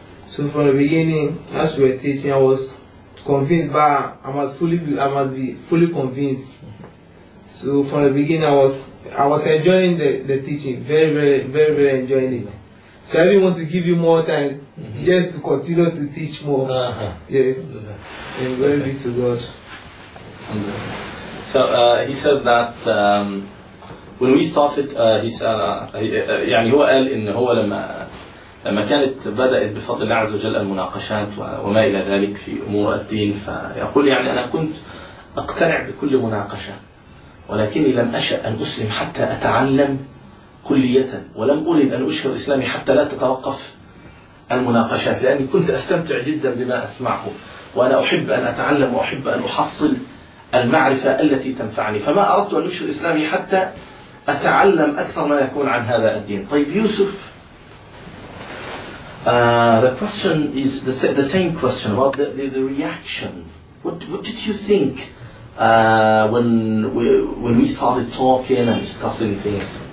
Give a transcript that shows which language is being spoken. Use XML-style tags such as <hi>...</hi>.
<en>So from the beginning, as we were teaching, I was convinced, but I must be fully convinced. So from the beginning, I was enjoying the teaching, very, very, very, very enjoying it. So I didn't want to give you more time, mm-hmm. just to continue to teach more. Uh-huh. Yes, and glory be to God. So he said that when we started, he said,</en> <ar>يعني هو قال إن هو لما كانت بدأت بفضل الله عز وجل المناقشات وما إلى ذلك في أمور الدين, فيقول يعني أنا كنت أقتنع بكل مناقشة, ولكني لم أشأ أن أسلم حتى أتعلم كلية, ولم أريد أن أشهر إسلامي حتى لا تتوقف المناقشات, لأني كنت أستمتع جدا بما أسمعه, وأنا أحب أن أتعلم وأحب أن أحصل المعرفة التي تنفعني, فما أردت أن أشهر إسلامي حتى أتعلم أكثر ما يكون عن هذا الدين.</ar> <en>طيب يوسف, the question is the same question about the reaction. What did you think when we started talking and discussing things?</en>